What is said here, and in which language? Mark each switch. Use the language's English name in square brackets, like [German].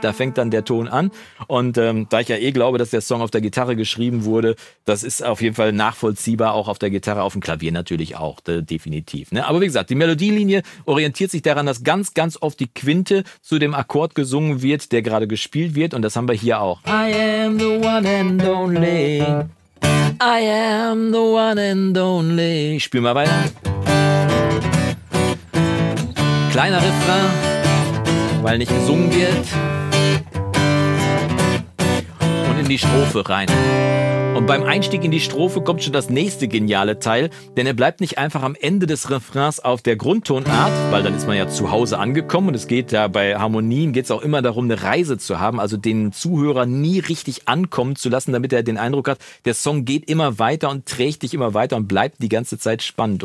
[German] Da fängt dann der Ton an. Und da ich ja eh glaube, dass der Song auf der Gitarre geschrieben wurde, das ist auf jeden Fall nachvollziehbar, auch auf der Gitarre, auf dem Klavier natürlich auch, definitiv. Ne? Aber wie gesagt, die Melodielinie orientiert sich daran, dass ganz, ganz oft die Quinte zu dem Akkord gesungen wird, der gerade gespielt wird. Und das haben wir hier auch. [English] I am the one and only. I am the one and only. [German] Spiel mal weiter. Kleiner Refrain, weil nicht gesungen wird. Und in die Strophe rein. Und beim Einstieg in die Strophe kommt schon das nächste geniale Teil, denn er bleibt nicht einfach am Ende des Refrains auf der Grundtonart, weil dann ist man ja zu Hause angekommen und es geht ja bei Harmonien geht es auch immer darum, eine Reise zu haben, also den Zuhörer nie richtig ankommen zu lassen, damit er den Eindruck hat, der Song geht immer weiter und trägt dich immer weiter und bleibt die ganze Zeit spannend.